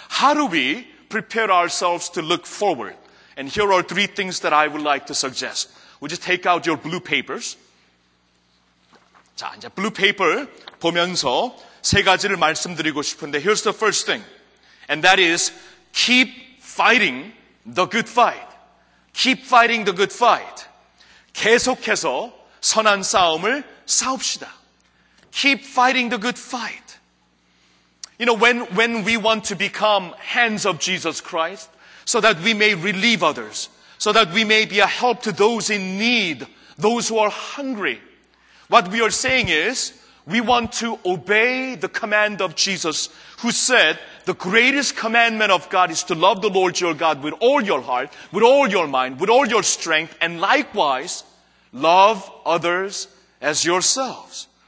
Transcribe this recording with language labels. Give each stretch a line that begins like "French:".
English: How do we prepare ourselves to look forward? And here are three things that I would like to suggest. Would you take out your blue papers?
Korean: 자, 이제 blue paper 보면서 세 가지를 말씀드리고 싶은데
English: here's the first thing. And that is keep fighting the good fight. Keep fighting the good fight.
Korean: 계속해서 선한 싸움을 싸웁시다.
English: Keep fighting the good fight. You know, when we want to become hands of Jesus Christ so that we may relieve others, so that we may be a help to those in need, those who are hungry, what we are saying is we want to obey the command of Jesus who said the greatest commandment of God is to love the Lord your God with all your heart, with all your mind, with all your strength, and likewise, love others as yourselves.